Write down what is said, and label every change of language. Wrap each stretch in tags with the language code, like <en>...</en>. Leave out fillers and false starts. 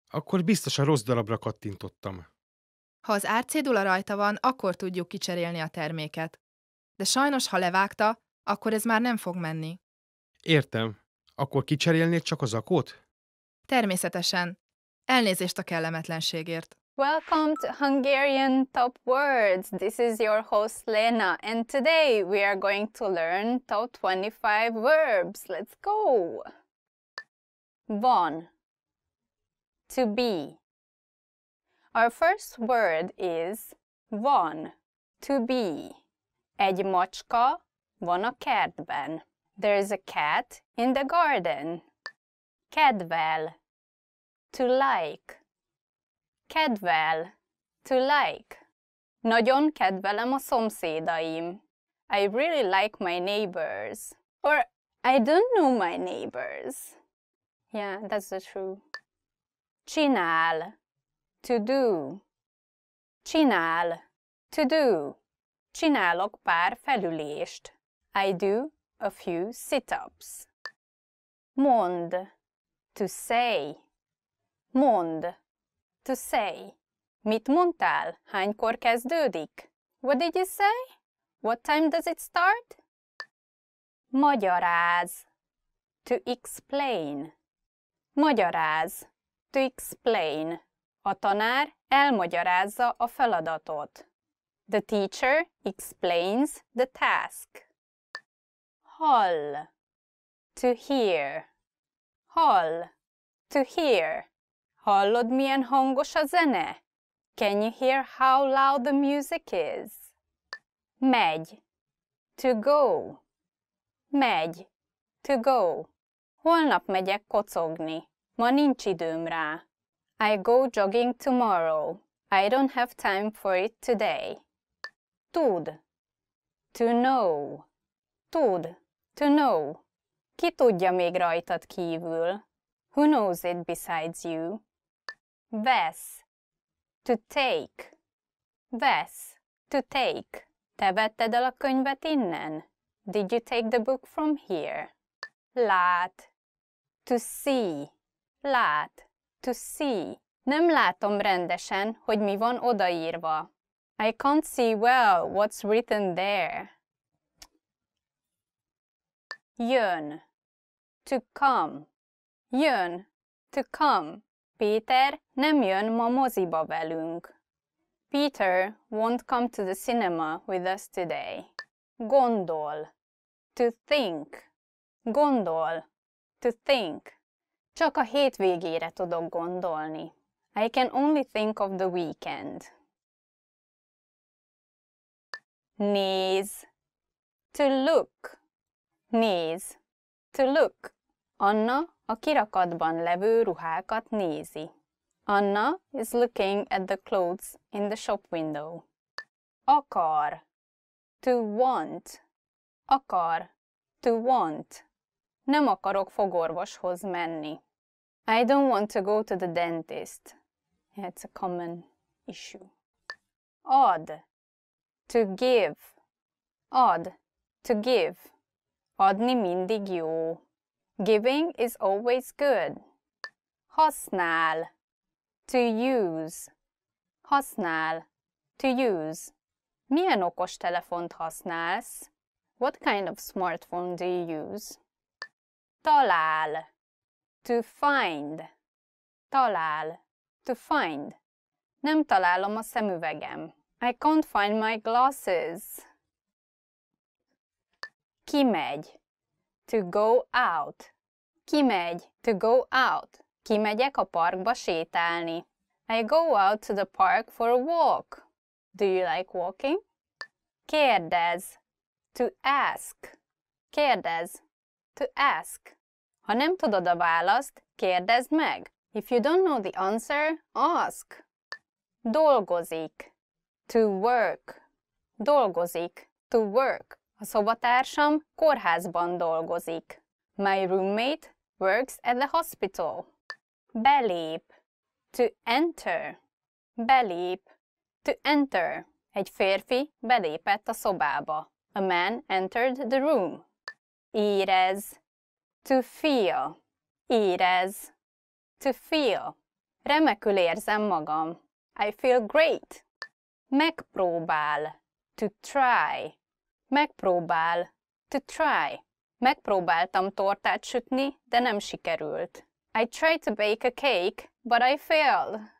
<hu>Akkor biztos a rossz darabra kattintottam. Ha az árcédula rajta van, akkor tudjuk kicserélni a terméket. De sajnos, ha levágta, akkor ez már nem fog menni. Értem. Akkor kicserélnéd csak a zakót? Természetesen. Elnézést a kellemetlenségért.</hu> <en>Welcome to Hungarian Top Words. This is your host Lena, and today we are going to learn top 25 verbs. Let's go! Van. To be. Our first word is van, to be.</en> <hu>Egy macska van a kertben.</hu> <en>There is a cat in the garden. Kedvel, to like. Kedvel, to like.</en> <hu>Nagyon kedvelem a szomszédaim.</hu> <en>I really like my neighbors. Or I don't know my neighbors. Yeah, that's the truth. Csinál, to do.</en> <hu>Csinál,</hu> <en>to do.</en> <hu>Csinálok pár felülést.</hu> <en>I do a few sit-ups. Mond, to say. Mond, to say.</en> <hu>Mit mondtál? Hánykor kezdődik?</hu> <en>What did you say? What time does it start? Magyaráz, to explain. Magyaráz. To explain.</en> <hu>A tanár elmagyarázza a feladatot.</hu> <en>The teacher explains the task. Hall. To hear. Hall. To hear.</en> <hu>Hallod, milyen hangos a zene?</hu> <en>Can you hear how loud the music is? Megy. To go. Megy. To go.</en> <hu>Holnap megyek kocogni. Ma nincs időm rá.</hu> <en>I go jogging tomorrow. I don't have time for it today. Tud. To know. Tud. To know.</en> <hu>Ki tudja még rajtad kívül?</hu> <en>Who knows it besides you? Vesz. To take. Vesz. To take.</en> <hu>Te vetted el a könyvet innen?</hu> <en>Did you take the book from here?</en> <hu>Lát.</hu> <en>to see. Lát, to see.</en> <hu>Nem látom rendesen, hogy mi van odaírva.</hu> <en>I can't see well what's written there. Jön, to come. Jön, to come.</en> <hu>Péter nem jön ma moziba velünk.</hu> <en>Peter won't come to the cinema with us today. Gondol, to think. Gondol, to think.</en> <hu>Csak a hétvégére tudok gondolni.</hu> <en>I can only think of the weekend. Néz, to look. Néz, to look.</en> <hu>Anna a kirakatban levő ruhákat nézi.</hu> <en>Anna is looking at the clothes in the shop window. Akar, to want. Akar, to want.</en> <hu>Nem akarok fogorvoshoz menni.</hu> <en>I don't want to go to the dentist. It's a common issue. Ad, to give.</en> <hu>Ad,</hu> <en>to give.</en> <hu>Adni mindig jó.</hu> <en>Giving is always good. Használ, to use. Használ, to use.</en> <hu>Milyen okos telefont használsz?</hu> <en>What kind of smartphone do you use? Talál, to find. Talál, to find.</en> <hu>Nem találom a szemüvegem.</hu> <en>I can't find my glasses. Kimegy, to go out. Kimegy, to go out.</en> <hu>Kimegyek a parkba sétálni.</hu> <en>I go out to the park for a walk. Do you like walking? Kérdez, to ask. Kérdez, to ask.</en> <hu>Ha nem tudod a választ, kérdezd meg.</hu> <en>If you don't know the answer, ask. Dolgozik, to work. Dolgozik, to work.</en> <hu>A szobatársam kórházban dolgozik.</hu> <en>My roommate works at the hospital. Belép, to enter. Belép, to enter.</en> <hu>Egy férfi belépett a szobába.</hu> <en>A man entered the room. Érez, to feel. Érez, to feel.</en> <hu>Remekül érzem magam.</hu> <en>I feel great. Megpróbál, to try. Megpróbál, to try.</en> <hu>Megpróbáltam tortát sütni, de nem sikerült.</hu> <en>I tried to bake a cake, but I failed.</en>